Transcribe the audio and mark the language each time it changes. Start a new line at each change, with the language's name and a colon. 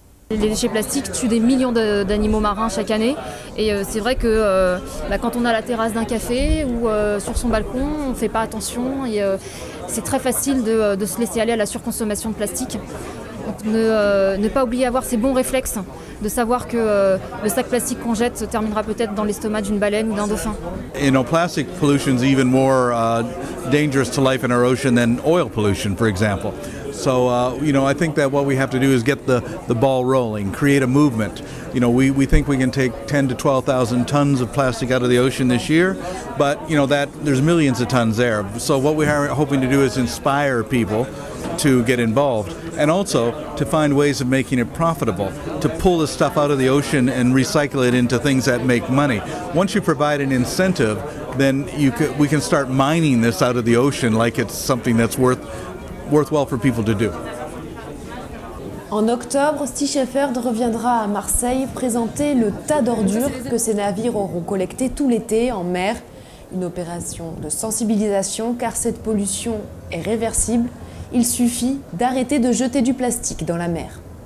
French: Les déchets plastiques tuent des millions d'animaux marins chaque année. Et c'est vrai que quand on a la terrasse d'un café ou sur son balcon, on ne fait pas attention. C'est très facile de se laisser aller à la surconsommation de plastique. Donc ne pas oublier avoir ces bons réflexes, de savoir que le sac plastique qu'on jette se terminera peut-être dans l'estomac d'une baleine ou d'un dauphin.
English: You know, plastic pollution is even more dangerous to life in our ocean than oil pollution, for example. So, you know, I think that what we have to do is get the ball rolling, create a movement. You know, we think we can take 10 to 12,000 tons of plastic out of the ocean this year, but, you know, that there's millions of tons there. So what we are hoping to do is inspire people to get involved and also to find ways of making it profitable, to pull the stuff out of the ocean and recycle it into things that make money. Once you provide an incentive, then we can start mining this out of the ocean like it's something that's worthwhile for people to do.
French: En octobre, Sea Shepherd reviendra à Marseille présenter le tas d'ordures que ses navires auront collecté tout l'été en mer. Une opération de sensibilisation car cette pollution est réversible. Il suffit d'arrêter de jeter du plastique dans la mer.